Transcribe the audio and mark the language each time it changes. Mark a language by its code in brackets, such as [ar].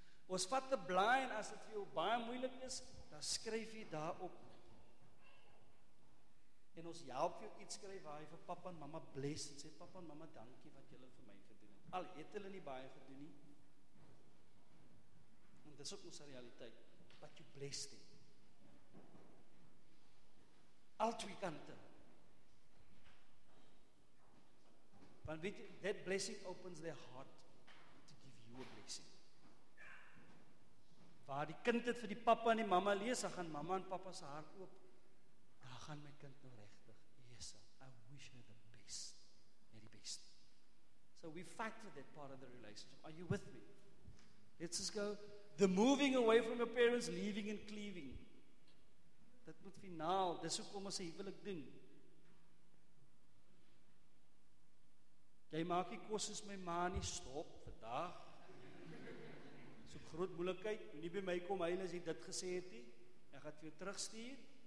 [af] Ons vat die blaaie as dit vir jou baie moeilik is, dan skryf jy daarop. En ons help jou iets skryf waar jy vir pappa en mama bless en sê pappa en mama dankie wat julle vir my gedoen het. Al het hulle nie baie gedoen nie. En dis ook ons realiteit. [en] But you bless them. [af] Al twee kante. Want weet jy, [en] that blessing opens their heart to give you a blessing. [af] Waar die kind het vir die pappa en die mama lees, dan gaan mama en pappa se hart oop. Daar gaan my kind nou regtig. [en] Yes, I wish her the best. Very best. So we factor that part of the relationship. Are you with me? Let's just go. The moving away from your parents, leaving and cleaving. [af] Dit moet finaal. Dis hoekom ons 'n huwelik doen. Jy maak die kos soos my ma nie. Stop vandag. Soek groot moeilikheid. Nie by my kom huil as jy dit gesê het nie. Ek gaan jou terugstuur.